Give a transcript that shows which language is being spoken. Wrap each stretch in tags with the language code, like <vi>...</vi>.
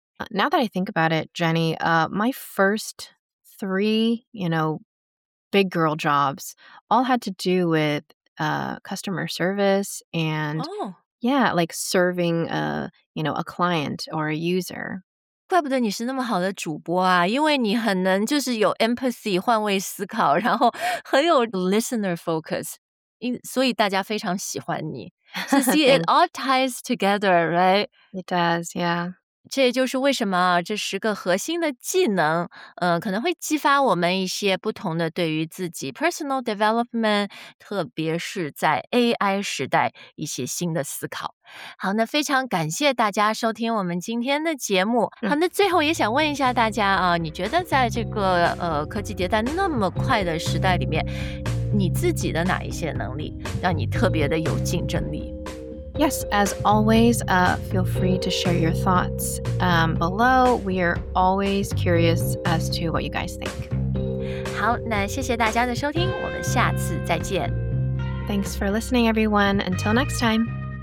<en>Now that I think about it, Jenny, my first three, you know, big girl jobs all had to do withcustomer service and、 oh. yeah like serving a you know a client or a user</en> <zh>怪不得你是那么好的主播啊因为你很能就是有 empathy 换位思考然后很有 listener focus 所以大家非常喜欢你</zh> <en>so see it all ties together right it does yeah</en> <zh>这也就是为什么这十个核心的技能可能会激发我们一些不同的对于自己 personal development, 特别是在 AI 时代一些新的思考。好那非常感谢大家收听我们今天的节目。好那最后也想问一下大家啊你觉得在这个科技迭代那么快的时代里面你自己的哪一些能力让你特别的有竞争力</zh> <en>Yes, as always, feel free to share your thoughts below. We are always curious as to what you guys think.</en> <zh>好，那谢谢大家的收听，我们下次再见。</zh> <en>Thanks for listening, everyone. Until next time.</en>